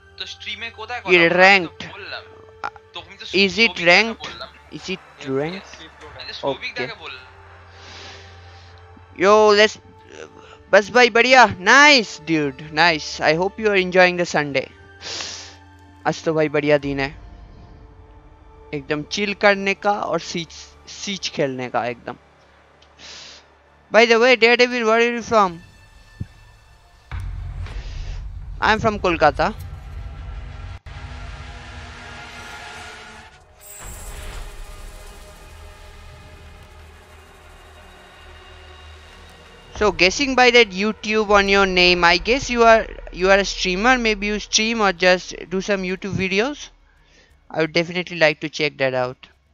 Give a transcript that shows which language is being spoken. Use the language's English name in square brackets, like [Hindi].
[English] To stream a kota will be ranked. Is it ranked? Is it ranked? Okay. Yo, let's. [Hindi] Bas bhai badhiya. [English] Nice, dude. Nice. I hope you are enjoying the Sunday. [Hindi] आज तो भाई बढ़िया दिन है एकदम chill करने का और सीच खेलने का एकदम [English] By the way daredevil where are you from I am from Kolkata So guessing by that YouTube on your name, I guess you are a streamer. Maybe you stream or just do some YouTube videos. I would definitely like to check that out.